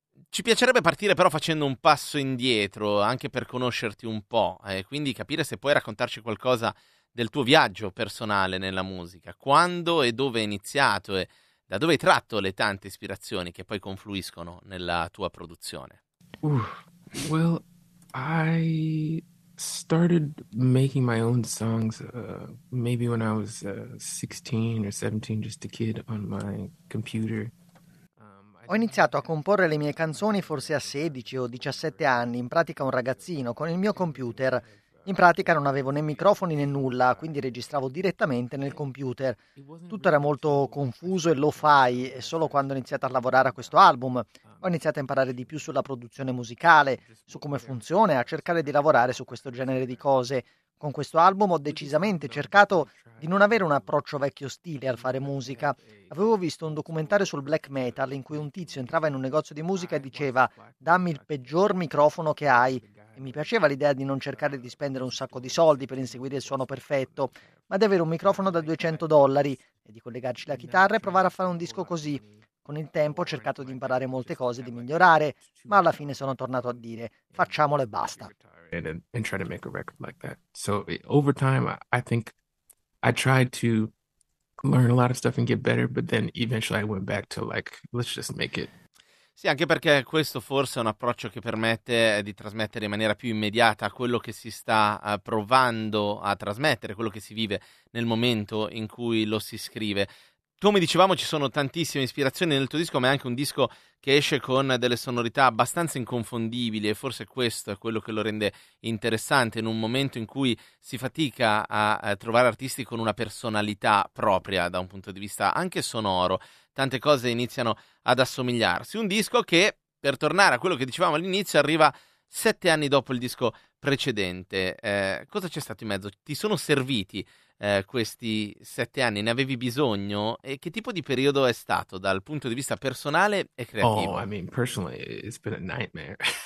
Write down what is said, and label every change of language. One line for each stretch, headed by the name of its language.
Italian: Ci piacerebbe partire però facendo un passo indietro, anche per conoscerti un po', e quindi capire se puoi raccontarci qualcosa del tuo viaggio personale nella musica. Quando e dove è iniziato e Da dove hai tratto le tante ispirazioni che poi confluiscono nella tua produzione?
English: Well, I started making my own songs maybe when I was 16 or 17, just a kid on my computer.
Italian: Ho iniziato a comporre le mie canzoni forse a 16 o 17 anni, in pratica un ragazzino, con il mio computer. In pratica non avevo né microfoni né nulla, quindi registravo direttamente nel computer. Tutto era molto confuso e lo-fi, e solo quando ho iniziato a lavorare a questo album ho iniziato a imparare di più sulla produzione musicale, su come funziona, a cercare di lavorare su questo genere di cose. Con questo album ho decisamente cercato di non avere un approccio vecchio stile al fare musica. Avevo visto un documentario sul black metal in cui un tizio entrava in un negozio di musica e diceva «Dammi il peggior microfono che hai». E mi piaceva l'idea di non cercare di spendere un sacco di soldi per inseguire il suono perfetto, ma di avere un microfono da $200 e di collegarci la chitarra e provare a fare un disco così. Con il tempo ho cercato di imparare molte cose, di migliorare, ma alla fine sono tornato a dire facciamolo e basta.
English: And try to make a record like that. So over time, I think I tried to learn a lot of stuff and get better, but then eventually I went back to like, let's just make it.
Italian: Sì, anche perché questo forse è un approccio che permette di trasmettere in maniera più immediata quello che si sta provando a trasmettere, quello che si vive nel momento in cui lo si scrive. Come dicevamo, ci sono tantissime ispirazioni nel tuo disco, ma è anche un disco che esce con delle sonorità abbastanza inconfondibili e forse questo è quello che lo rende interessante in un momento in cui si fatica a trovare artisti con una personalità propria da un punto di vista anche sonoro. Tante cose iniziano ad assomigliarsi. Un disco che, per tornare a quello che dicevamo all'inizio, arriva 7 anni dopo il disco precedente. Cosa c'è stato in mezzo? Ti sono serviti questi 7 anni? Ne avevi bisogno? E che tipo di periodo è stato dal punto di vista personale e creativo?
English: Oh, I mean, personally, it's been a nightmare.